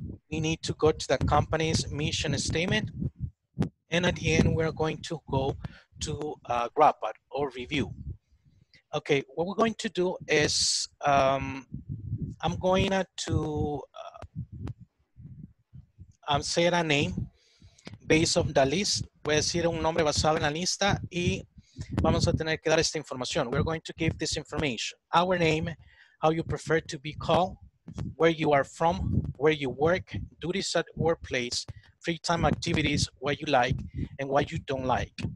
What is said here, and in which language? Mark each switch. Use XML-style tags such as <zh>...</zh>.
<en>We need to go to the company's mission statement. And at the end, we're going to go to wrap up or review. Okay, what we're going to do is I'm going to say a name based on the list.</en> <es>Voy a decir un nombre basado en la lista y vamos a tener que dar esta información.</es> <en>We're going to give this information. Our name, how you prefer to be called, where you are from, where you work, duties at workplace, free time activities, what you like and what you don't like.</en>